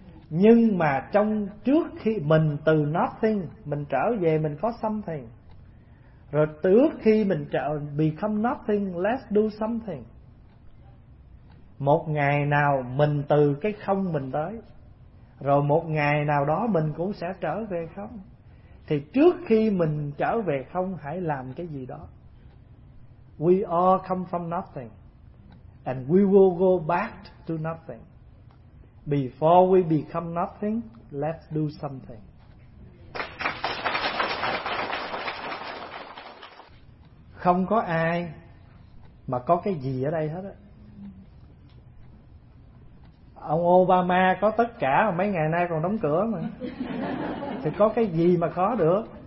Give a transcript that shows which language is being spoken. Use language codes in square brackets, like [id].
[vi] Nhưng mà trong trước khi mình từ nothing mình trở về mình có something, rồi trước khi mình trở [en] become nothing let's do something. [vi] Một ngày nào mình từ cái không mình tới, rồi một ngày nào đó mình cũng sẽ trở về không. Thì trước khi mình trở về không hãy làm cái gì đó. [en] We all come from nothing and we will go back to nothing. Before we become nothing, let's do something. [vi] Không có ai mà có cái gì ở đây hết á. Ông Obama có tất cả mà mấy ngày nay còn đóng cửa mà. Thì có cái gì mà có được?